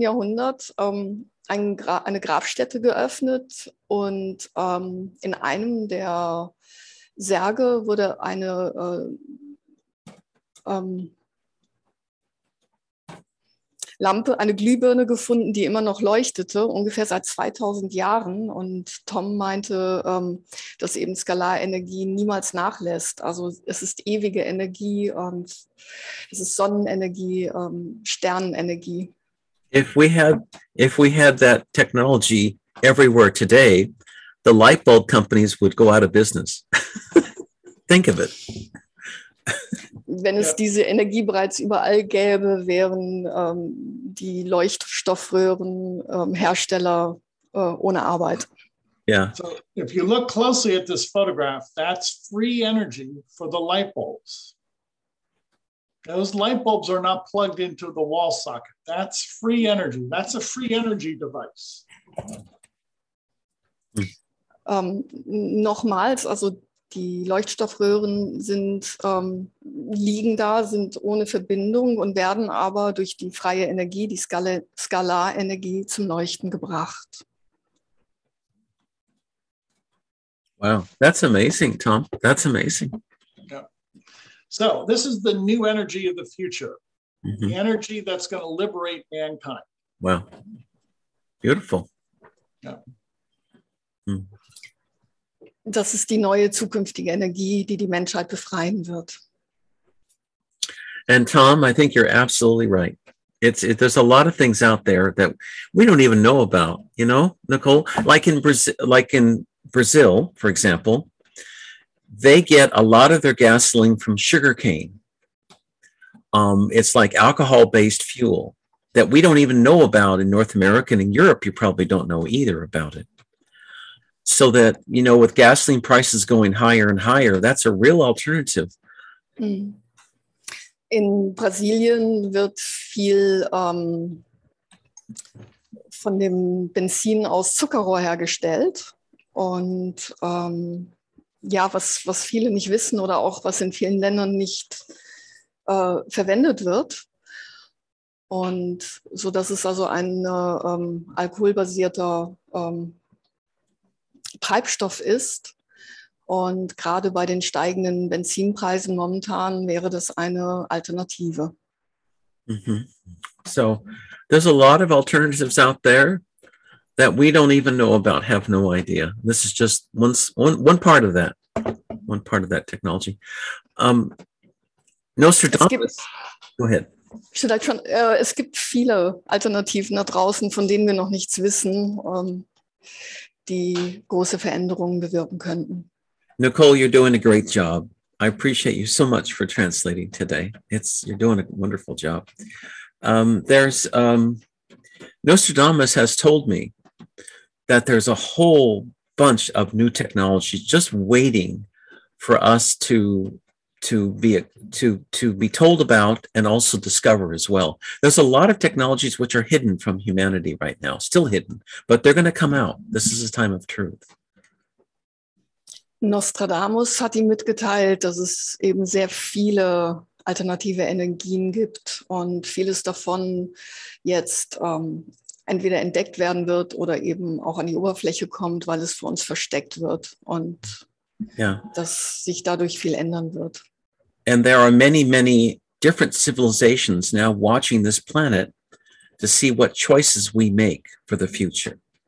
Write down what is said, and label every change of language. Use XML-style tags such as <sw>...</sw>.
<de>Jahrhundert eine Grabstätte geöffnet und in einem der Särge wurde eine Lampe, eine Glühbirne gefunden, die immer noch leuchtete, ungefähr seit 2000 Jahren. Und Tom meinte, dass eben Skalarenergie niemals nachlässt. Also es ist ewige Energie und es ist Sonnenenergie, Sternenenergie.</de> <en>If we had that technology everywhere today, the light bulb companies would go out of business. Think of it.</en> <de>Wenn es diese Energie bereits überall gäbe, wären die Leuchtstoffröhren Hersteller ohne Arbeit.</de> <en>Yeah. So if you look closely at this photograph, that's free energy for the light bulbs. Those light bulbs are not plugged into the wall socket. That's free energy. That's a free energy device.</en> <de>Nochmals, also die Leuchtstoffröhren sind liegen da, sind ohne Verbindung und werden aber durch die freie Energie, die Skalarenergie, zum Leuchten gebracht.</de> <en>Wow, that's amazing, Tom. That's amazing. Yeah. So, this is the new energy of the future. Mm-hmm. The energy that's going to liberate mankind. Wow. Beautiful. Yeah. Mm.</en> <de>Das ist die neue zukünftige Energie, die die Menschheit befreien wird.</de> <en>And Tom, I think you're absolutely right. There's a lot of things out there that we don't even know about, you know, Nicole? Like in Brazil, for example, they get a lot of their gasoline from sugarcane. It's like alcohol-based fuel that we don't even know about in North America. And in Europe, you probably don't know either about it. So that, you know, with gasoline prices going higher and higher, that's a real alternative.</en> <de>In Brasilien wird viel von dem Benzin aus Zuckerrohr hergestellt. Und was viele nicht wissen oder auch was in vielen Ländern nicht verwendet wird. Und so, das ist also ein alkoholbasierter Treibstoff ist und gerade bei den steigenden Benzinpreisen momentan wäre das eine Alternative.</de> <en>Mm-hmm. So, there's a lot of alternatives out there. that we don't even know about, have no idea. This is just one part of that, one part of that technology. Nostradamus, go ahead.</en> <de>Vielleicht schon, es gibt viele Alternativen da draußen, von denen wir noch nichts wissen, die große Veränderungen bewirken könnten.</de> <en>Nicole, you're doing a great job. I appreciate you so much for translating today. You're doing a wonderful job. Nostradamus has told me that there's a whole bunch of new technologies just waiting for us to be told about and also discover as well. There's a lot of technologies which are hidden from humanity right now, still hidden, but they're going to come out. This is a time of truth.</en> <de>Nostradamus hat ihm mitgeteilt, dass es eben sehr viele alternative Energien gibt und vieles davon jetzt entweder entdeckt werden wird oder eben auch an die Oberfläche kommt, weil es vor uns versteckt wird und dass sich dadurch viel ändern wird.</de> <en>And there are many, many different civilizations now watching this planet to see what choices we make for the future.</en>